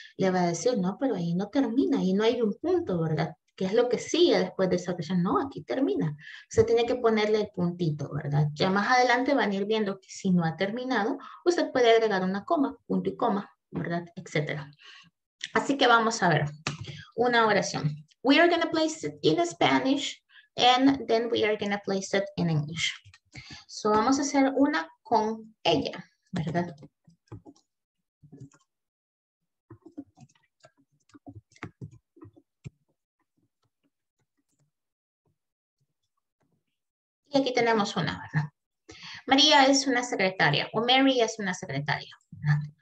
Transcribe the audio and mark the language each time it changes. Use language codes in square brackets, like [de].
[es] Le va a decir, no, pero ahí no termina, ahí no hay un punto, ¿verdad? ¿Qué es lo que sigue después de esa oración? No, aquí termina. Usted tiene que ponerle el puntito, ¿verdad? Ya más adelante van a ir viendo que si no ha terminado, usted puede agregar una coma, punto y coma, ¿verdad? Etcétera. Así que vamos a ver una oración. [en] We are going to place it in Spanish and then we are going to place it in English. [es] So vamos a hacer una con ella, ¿verdad? Y aquí tenemos una, ¿verdad? María es una secretaria o Mary es una secretaria, ¿verdad?